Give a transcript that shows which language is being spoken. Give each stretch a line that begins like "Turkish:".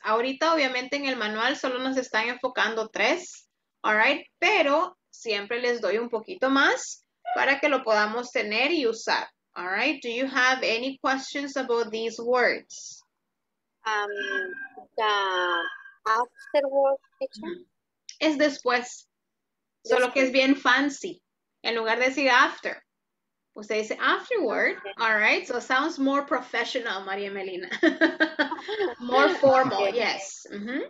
Spanish: Ahorita, obviamente, en el manual solo nos están enfocando tres,
English: all right?
Spanish: Pero siempre les doy un poquito más para que lo podamos tener y usar,
English: all right? Do you have any questions about these words? The afterward picture?
Spanish: Es después, solo que es bien fancy, en lugar de decir after. Usted dice
English: afterward, okay. All right, so sounds more professional, Maria Melina. More formal, okay. Yes. Mm-hmm.